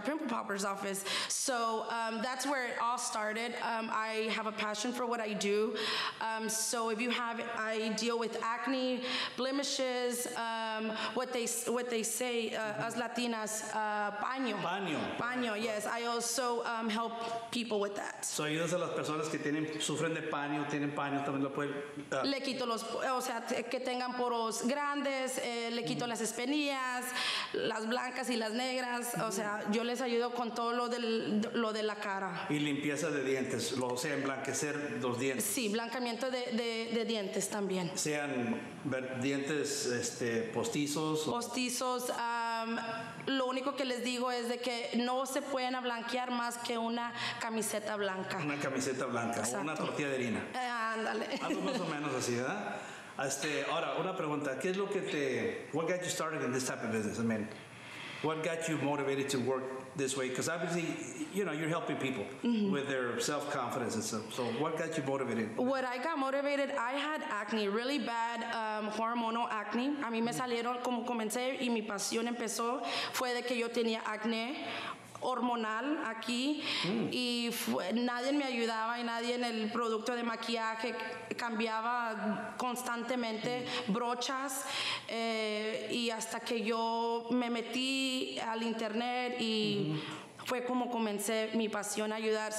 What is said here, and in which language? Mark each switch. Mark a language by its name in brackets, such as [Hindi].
[English] Pimple Popper's office. So that's where it all started. I have a passion for what I do. So if you have, I deal with acne, blemishes, what they say, as Latinas, paño. [Spanish] Paño. [English] Paño, yes. I also help people with that. [Spanish] So ayudas a las personas que tienen, sufren de paño, tienen paño, también lo pueden... Le quito los, o sea, que tengan poros grandes, le quito las espinillas, las blancas y las negras. O sea, yo les ayudo con todo lo de la cara. Y limpieza de dientes, o sea, emblanquecer los dientes. Sí, blanqueamiento de dientes también. Sean dientes postizos. Postizos. Lo único que les digo es de que no se pueden blanquear más que una camiseta blanca. Una camiseta blanca. Exacto. O una tortilla de harina. Ándale. Algo más o menos así, ¿verdad? Ahora, una pregunta. ¿Qué es lo que te... [English] What got you started in this type of business? I mean, what got you motivated to work this way? Because obviously, you know, you're helping people mm-hmm. with their self-confidence and stuff. So what got you motivated? What I got motivated, I had acne, really bad hormonal acne. [Spanish] A mí me salieron, como comencé, y mi pasión empezó, fue de que yo tenía acné hormonal aquí y nadie me ayudaba y nadie en el producto de maquillaje cambiaba constantemente brochas y hasta que yo me metí al internet y fue como comencé mi pasión a ayudar.